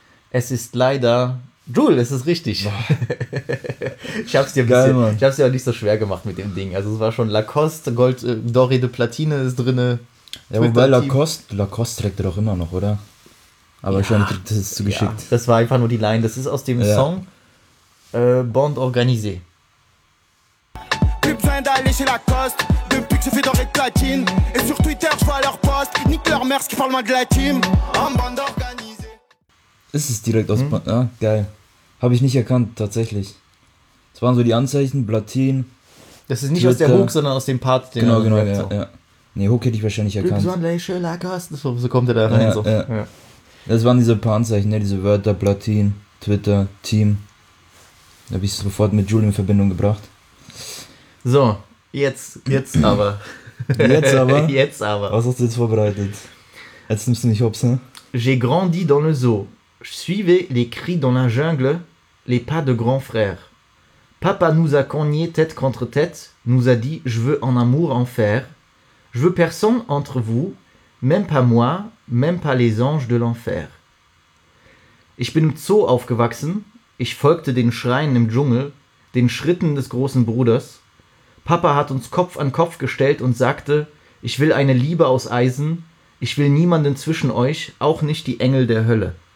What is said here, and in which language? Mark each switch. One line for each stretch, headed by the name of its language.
German: Es ist leider Jule, es ist richtig. Ich hab's dir ein bisschen, ich hab's dir auch nicht so schwer gemacht mit dem Ding. Also es war schon Lacoste, Gold,
French: Doré de Platine
German: ist drinne. Ja, wobei Lacoste trägt er doch immer noch, oder? Aber ja, schon, das ist zu geschickt. Ja, das war einfach nur die Line. Das ist aus dem Song Bande Organisée.
French: Chez Lacoste, depuis que j'ai fait doré de platine. Et sur Twitter, je vois leur post. Nique leur mère, ce qui parle mal de la team. En bande organisée.
German: Ist es direkt aus Bande? Ah, geil. Habe ich nicht erkannt, tatsächlich. Das waren so die Anzeichen: Platin. Das ist nicht Twitter aus der Hook, sondern aus dem Part, den genau, er genau, ja, so. Ja. Nee, Hook hätte ich wahrscheinlich erkannt. Besonderliche Lacoste, so kommt er da rein. Ja, so. Ja. Das waren diese paar Anzeichen, ne? Diese Wörter: Platin, Twitter, Team. Da habe ich es sofort mit Jule in Verbindung gebracht. So. Jetzt aber. Jetzt aber? Jetzt aber. Was hast du jetzt vorbereitet? Jetzt nimmst du mich hops, ne?
French: J'ai grandi dans le zoo. Je suivais les cris dans la jungle, les pas de grand frère. Papa nous a cogné tête contre tête, nous a dit je veux un amour en fer. Je veux personne entre vous, même pas moi, même pas les anges de l'enfer.
German: Ich bin im Zoo aufgewachsen. Ich folgte den Schreien im Dschungel, den Schritten des großen Bruders. Papa hat uns Kopf an Kopf gestellt und sagte, ich will eine Liebe aus Eisen, ich will niemanden zwischen euch, auch nicht die Engel der Hölle.